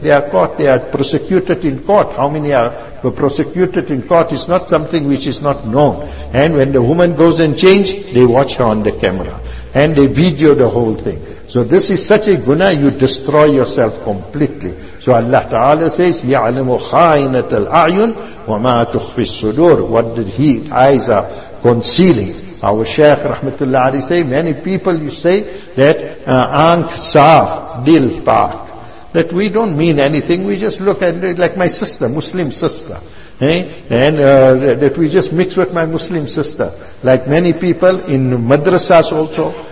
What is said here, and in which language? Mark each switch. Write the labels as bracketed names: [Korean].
[English] They are caught, they are prosecuted in court. How many are prosecuted in court is not something which is not known. And when the woman goes and change, they watch her on the camera. And they video the whole thing. So this is such a guna, you destroy yourself completely. So Allah Ta'ala says, [Arabic] يَعْلَمُ خَائِنَةَ الْأَعْيُنِ وَمَا تُخْفِي الصُّدُورِ. [English] What did he, eyes are concealing. Our Shaykh Rahmatullah Ali say, many people you say that [Urdu] ankh saaf, dil paak, [English] that we don't mean anything, we just look at it like my sister, Muslim sister, that we just mix with my Muslim sister, like many people in madrasas also,